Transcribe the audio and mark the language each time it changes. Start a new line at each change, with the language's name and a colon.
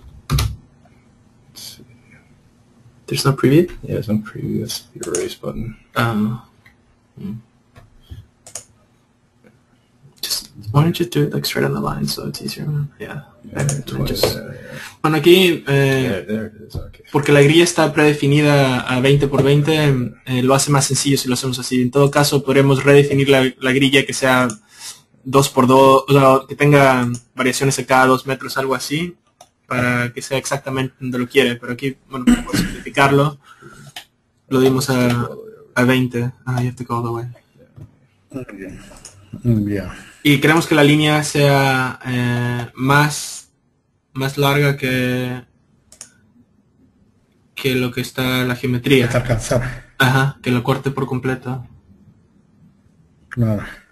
English: Let's see. There's no preview? Yeah, there's no preview. That's the erase button. Just, why don't you do it like straight on the line so it's easier? Yeah. Yeah,
Spanish: bueno, aquí,
English: okay.
Spanish: Porque la grilla está predefinida a 20 por 20, lo hace más sencillo si lo hacemos así. En todo caso, podremos redefinir la grilla que sea 2 por 2, o sea, que tenga variaciones a cada 2 metros, algo así, para que sea exactamente donde lo quiere. Pero aquí, bueno, por simplificarlo, lo dimos a 20.
English: Ah, you have to go all the way. Okay. Yeah.
Spanish: Y queremos que la línea sea más larga que lo que está la geometría. Está alcanzada. Ajá, que lo corte por completo. Claro.